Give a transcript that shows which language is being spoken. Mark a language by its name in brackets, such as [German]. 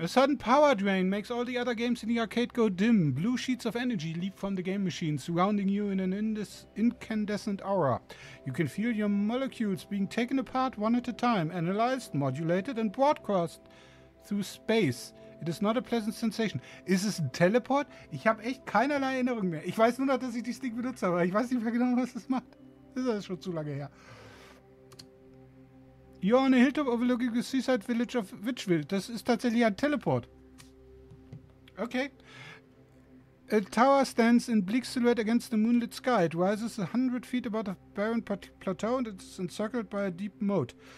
[English] A sudden power drain makes all the other games in the arcade go dim. Blue sheets of energy leap from the game machine, surrounding you in an incandescent aura. You can feel your molecules being taken apart one at a time, analyzed, modulated and broadcast through space. It is not a pleasant sensation. [German] Ist es ein Teleport? Ich habe echt keinerlei Erinnerung mehr. Ich weiß nur noch, dass ich die Stick benutzt habe, aber ich weiß nicht mehr genau, was das macht. Das ist schon zu lange her. [English] You're on a hilltop overlooking the seaside village of Witchville. [German] Das ist tatsächlich ein Teleport. Okay. [English] A tower stands in bleak silhouette against the moonlit sky. It rises 100 feet above a barren plateau and it's encircled by a deep moat.